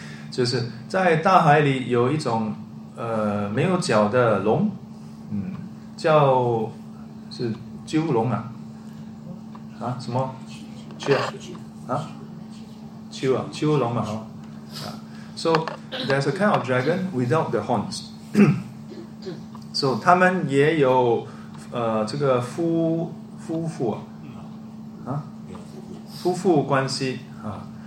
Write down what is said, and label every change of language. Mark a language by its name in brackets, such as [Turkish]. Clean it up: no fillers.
[Chinese] 就是在大海里有一种没有脚的龙，叫是鸠龙啊，什么鸠啊，鸠啊，鸠龙嘛，哈、啊。 [English] So there's a kind of dragon without the horns. [Chinese] So 他们也有这个夫妇啊，夫妇关系啊。